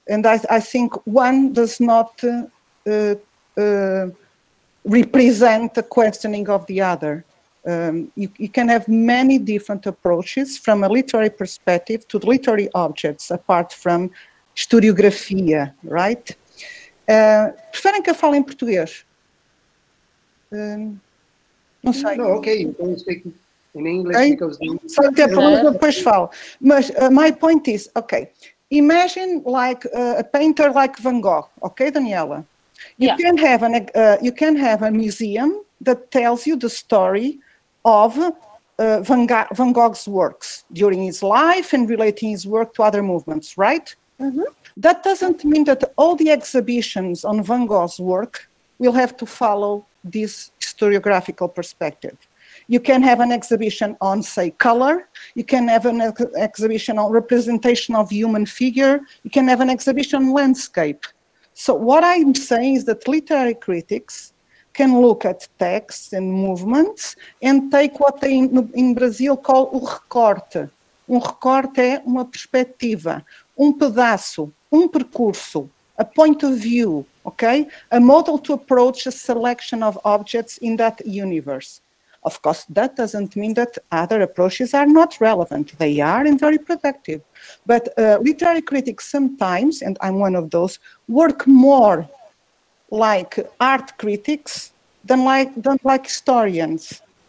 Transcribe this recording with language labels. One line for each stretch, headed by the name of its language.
English: And I think one does not represent the questioning of the other. You can have many different approaches from a literary perspective to the literary objects, apart from historiografia, right?
Portuguese: Preferem que eu fale em português? Não sei. Não, ok. Então,
English: In English, okay. Because the first of all, my point is, okay, imagine like a painter like Van Gogh, okay, Daniela? You can have a museum that tells you the story of Van Gogh's works during his life and relating his work to other movements, right? Mm-hmm. That doesn't mean that all the exhibitions on Van Gogh's work will have to follow this historiographical perspective. You can have an exhibition on, say, color. You can have an exhibition on representation of human figure. You can have an exhibition on landscape. So what I'm saying is that literary critics can look at texts and movements and take what they in Brazil call
Portuguese: o recorte. Um recorte é uma perspectiva, um pedaço, um percurso,
English: a point of view, okay? A model to approach a selection of objects in that universe. Of course, that doesn't mean that other approaches are not relevant. They are and very productive. But literary critics sometimes, and I'm one of those, work more like art critics than like historians.